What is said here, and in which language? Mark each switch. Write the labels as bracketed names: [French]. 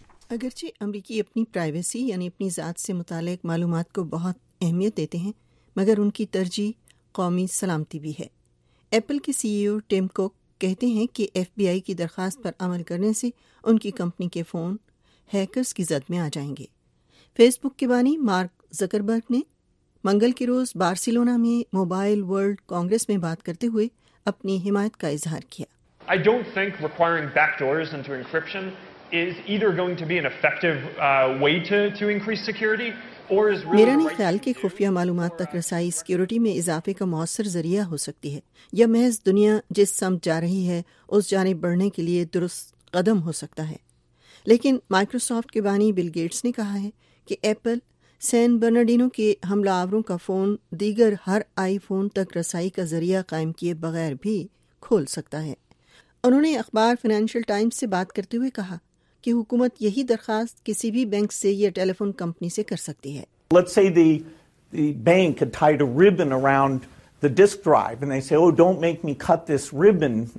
[Urdu] اگرچہ امریکی اپنی پرائیویسی یعنی اپنی ذات سے متعلق معلومات کو بہت اہمیت دیتے ہیں، مگر ان کی ترجیح قومی سلامتی بھی ہے۔ ایپل کے سی ای او ٹیم کوک کہتے ہیں کہ ایف بی آئی کی درخواست پر عمل کرنے سے ان کی کمپنی کے فون ہیکرز کی زد میں آ جائیں گے۔ فیس بک کے بانی مارک زکربرگ نے منگل کے روز بارسلونا میں موبائل ورلڈ کانگریس میں بات کرتے ہوئے اپنی حمایت کا اظہار کیا۔ [English] I don't think requiring backdoors into encryption is either going to be an effective way to increase security or is [Urdu] میرا نہیں خیال کہ خفیہ معلومات تک رسائی سیکیورٹی میں اضافے کا مؤثر ذریعہ ہو سکتی ہے، یا محض دنیا جس سمت جا رہی ہے اس جانب بڑھنے کے لیے درست قدم ہو سکتا ہے۔ لیکن مائیکروسافٹ کے بانی بل گیٹس نے کہا ہے کہ ایپل سین برنارڈینو کے حملہ آوروں کا فون دیگر ہر آئی فون تک رسائی کا ذریعہ قائم کیے بغیر بھی کھول سکتا ہے۔ انہوں نے اخبار فائنینشل ٹائمز سے بات کرتے ہوئے کہا کہ حکومت یہی درخواست کسی بھی بینک سے یا ٹیلی فون کمپنی سے کر سکتی ہے۔ [English] Let's say the bank had tied a ribbon around the disk drive and they say oh don't make me cut this ribbon